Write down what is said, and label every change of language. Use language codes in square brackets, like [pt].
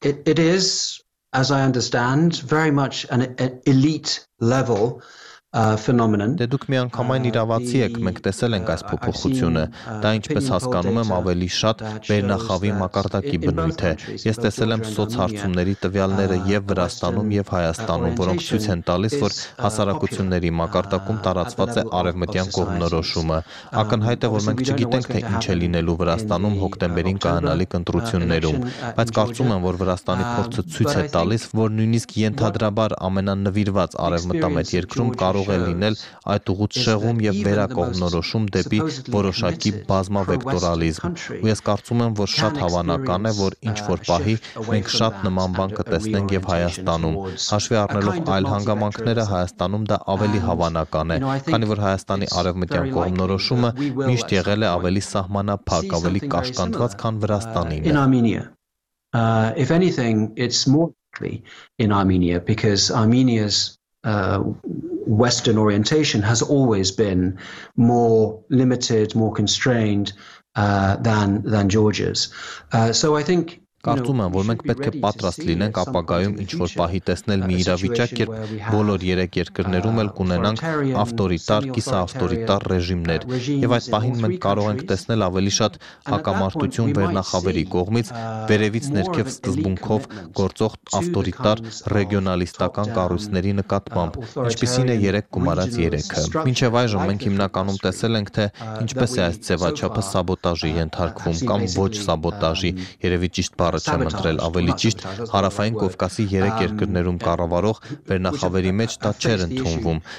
[en] It is, as I understand, very much an elite level phenomenon. [hy] Դե դուք մի անգամ այն իրավացի եք, մենք տեսել ենք այս փոփոխությունը։ Դա, ինչպես հասկանում եմ, ավելի շատ վերնախավի մակարդակի բնույթ է։ Ես տեսել եմ սոցհարցումների տվյալները եւ Վրաստանում, եւ Հայաստանում, որոնք ցույց են տալիս, որ հասարակությունների մակարդակում տարածված է արևմտյան կողմնորոշումը։ Ակնհայտ է, որ մենք չգիտենք, թե ինչ է լինելու Վրաստանում հոկտեմբերին կայանալիք ընտրություններում, բայց կարծում եմ, որ Վրաստանի փորձը ցույց է տալիս, որ նույնիսկ ենթադրաբար ամենանվիրված արևմտամետ երկրում կարող է լինել այդ ուղղից շեղում եւ վերակողմնորոշում դեպի որոշակի բազմավեկտորալիզմ։ Ու ես կարծում եմ, որ շատ հավանական է, որ ինչ որ պահի մենք շատ նման բան կտեսնենք եւ Հայաստանում։ Հաշվի առնելով այլ հանգամանքները, Հայաստանում դա ավելի հավանական է, քանի որ Հայաստանի արևմտյան կողմնորոշումը միշտ եղել է ավելի սահմանափակ, ավելի կաշկանդված, քան Վրաստանին։ [en] If anything, it's more in Armenia because Armenia's Western orientation has always been more limited, more constrained than Georgia's. So I think [hy] կարծում եմ, որ մենք պետք է պատրաստ լինենք ապագայում ինչ որ պահի տեսնել մի իրավիճակ, երբ բոլոր երեք երկրներում էլ կունենանք ավտորիտար, կիսաավտորիտար ռեժիմներ, եւ այդ պահին մենք կարող ենք տեսնել ավելի շատ հակամարտություն վերնախավերի կողմից, վերևից ներքև սկզբունքով գործող ավտորիտար ռեգիոնալիստական կառույցների նկատմամբ, ինչպիսին է 3+3-ը։ Մինչև այժմ մենք հիմնականում տեսել ենք, թե ինչպես է այս ձևաչափը սաբոտաժի ենթարկվում կամ ոչ սաբոտաժի, երևի ճիշտ բարձր մտրել, ավելի ճիշտ հարավային Կովկասի 3 երկրներում կառավարող վերնախավերի մեջ դա չեր ընդունվում։